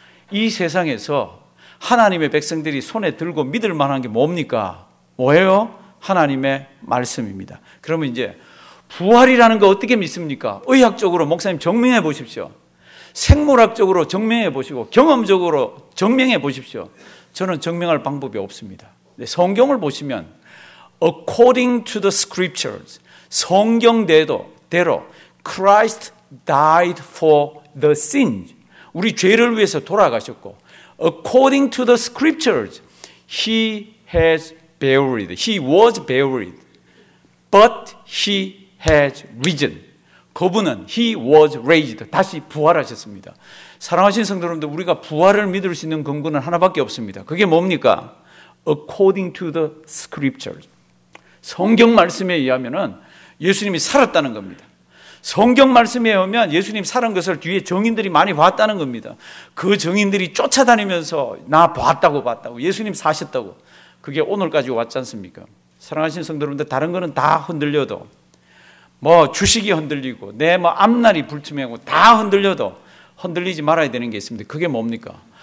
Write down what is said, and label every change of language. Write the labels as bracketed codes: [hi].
[ko] 이 세상에서 하나님의 백성들이 손에 들고 믿을 만한 게 뭡니까? 뭐예요? 하나님의 말씀입니다. 그러면 이제 부활이라는 거 어떻게 믿습니까? 의학적으로 목사님 증명해 보십시오. 생물학적으로 증명해 보시고 경험적으로 증명해 보십시오. 저는 증명할 방법이 없습니다. 성경을 보시면 [en] According to the scriptures, [ko] 성경대로 [en] Christ died for the sins. [ko] 우리 죄를 위해서 돌아가셨고 [en] According to the scriptures, He has buried. He was buried. But He has risen. [ko] 그분은 [en] He was raised. [ko] 다시 부활하셨습니다. 사랑하신 성도 여러분들, 우리가 부활을 믿을 수 있는 근거는 하나밖에 없습니다. 그게 뭡니까? [en] According to the scriptures. [ko] 성경 말씀에 의하면은 예수님이 살았다는 겁니다. 성경 말씀에 의하면 예수님 살은 것을 뒤에 증인들이 많이 봤다는 겁니다. 그 증인들이 쫓아다니면서 나 봤다고 예수님 사셨다고. 그게 오늘까지 왔지 않습니까? 사랑하신 성도 여러분들, 다른 거는 다 흔들려도 뭐 주식이 흔들리고 내 뭐 앞날이 불투명하고 다 흔들려도 흔들리지 말아야 되는 게 있습니다. 그게 뭡니까?